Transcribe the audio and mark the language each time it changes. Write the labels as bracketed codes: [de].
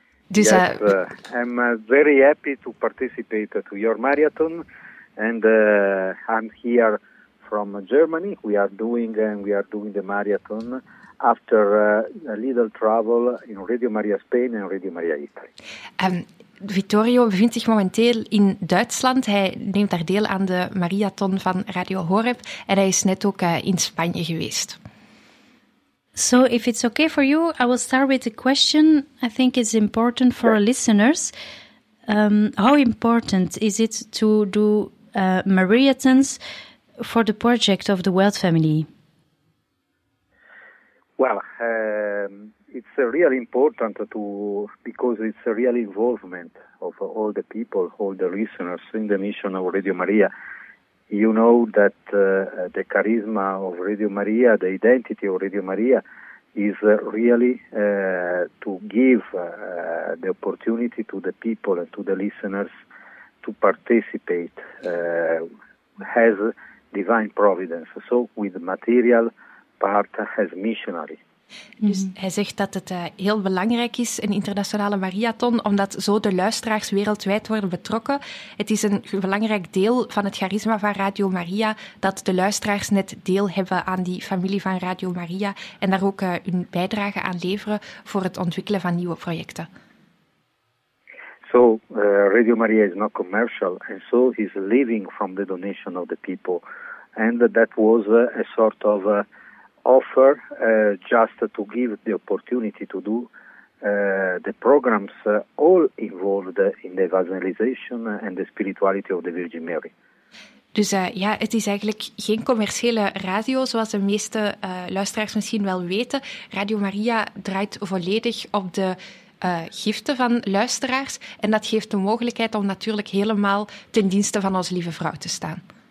[en] Yes, I'm very happy to participate to your Mariathon. And I'm here from Germany. We are doing the Mariathon after a little travel in Radio Maria Spain and Radio Maria Italy. [nl] Vittorio bevindt zich momenteel in Duitsland. Hij neemt daar deel aan de Mariathon van Radio Horeb en hij is net ook in Spanje geweest. [en] So, if it's okay for you, I will start with a question. I think it's important for our listeners. How important is it to do Mariathons for the project of the World Family? Well, it's really important to, because it's a real involvement of all the people, all the listeners in the mission of Radio Maria. You know that the charisma of Radio Maria, the identity of Radio Maria, is really to give the opportunity to the people and to the listeners to participate as divine providence, so with material part as missionary. [nl] Dus hij zegt dat het heel belangrijk is, een internationale Mariathon, omdat zo de luisteraars wereldwijd worden betrokken. Het is een belangrijk deel van het charisma van Radio Maria dat de luisteraars net deel hebben aan die familie van Radio Maria en daar ook hun bijdrage aan leveren voor het ontwikkelen van nieuwe projecten. [en] So, Radio Maria is not commercial and so is living from the donation of the people. And that was a sort of offer just to give the opportunity to do the programs all involved in the evangelization and the spirituality of the Virgin Mary. [nl] Dus ja, het is eigenlijk geen commerciële radio, zoals de meeste luisteraars misschien wel weten. Radio Maria draait volledig op de giften van luisteraars en dat geeft de mogelijkheid om natuurlijk helemaal ten dienste van onze lieve vrouw te staan.